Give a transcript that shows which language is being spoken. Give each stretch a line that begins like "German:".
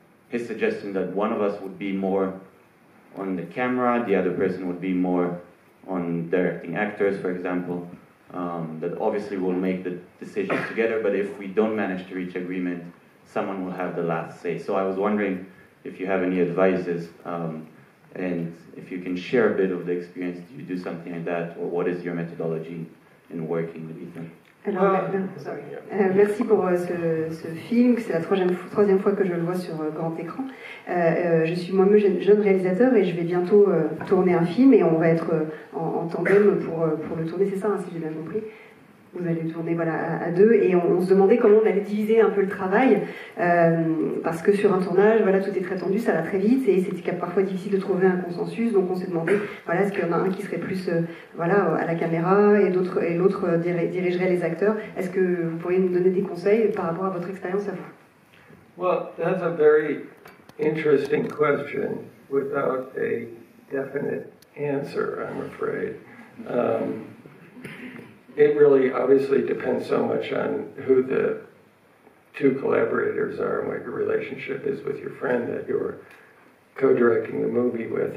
English: his suggestion that one of us would be more on the camera, the other person would be more on directing actors, for example, that obviously we'll make the decisions together, but if we don't manage to reach agreement, someone will have the last say. So I was wondering if you have any advices, and if you can share a bit of the experience. Do you do something like that, or what is your methodology in working with Ethan?
French: Merci pour ce film. C'est la troisième fois que je le vois sur grand écran. Je suis moi-même jeune réalisateur et je vais bientôt tourner un film et on va être en tandem pour le tourner. C'est ça, hein, si j'ai bien compris. Vous allez tourner voilà, à deux et on se demandait comment on allait diviser un peu le travail parce que sur un tournage, voilà, tout est très tendu, ça va très vite et c'était parfois difficile de trouver un consensus. Donc on s'est demandé, voilà, est-ce qu'il y en a un qui serait plus à la caméra et l'autre dirigerait les acteurs. Est-ce que vous pourriez nous donner des conseils par rapport à votre expérience à vous?
English: Well, that's a very interesting question without a definite answer, I'm afraid. It really obviously depends so much on who the two collaborators are and what your relationship is with your friend that you're co-directing the movie with.